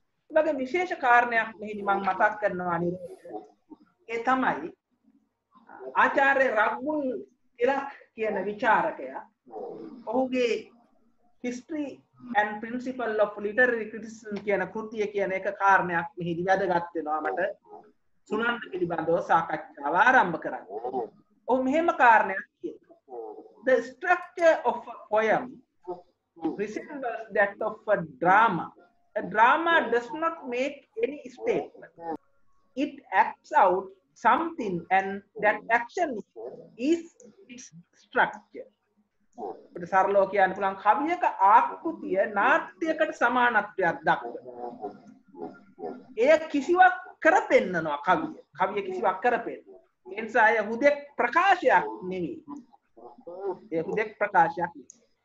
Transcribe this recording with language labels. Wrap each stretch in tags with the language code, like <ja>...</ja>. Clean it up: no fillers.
<si>ඒ වගේ විශේෂ කාරණයක් මෙහිදී මම මතක් කරනවා නිරේ. ඒ තමයි ආචාර්ය රග්මුල් තිලක් කියන විචාරකයා ඔහුගේ History and Principle of Literary Criticism කියන කෘතිය කියන එක කාරණයක් මෙහිදී වැදගත් වෙනවා මට සුනන්ද පිළිබඳව සාකච්ඡාව ආරම්භ කරන්න. ඔහු මෙහෙම කාරණයක් කියනවා.</si> <en>The structure of a poem resembles that of a drama. A drama does not make any statement. It acts out something and that action is its structure.</en> <si>අපිට සරලව කියන්න පුළුවන් කවියක ආකෘතිය නාට්‍යයකට සමානත්වයක් දක්වනවා. එය කිසිවක් කරපෙන්නනවා කවිය. කවිය කිසිවක් කරපෙන්නනවා. ඒ නිසා එය හුදෙක් ප්‍රකාශයක් නෙවෙයි. එය හුදෙක් ප්‍රකාශයක් නෙවෙයි.</si>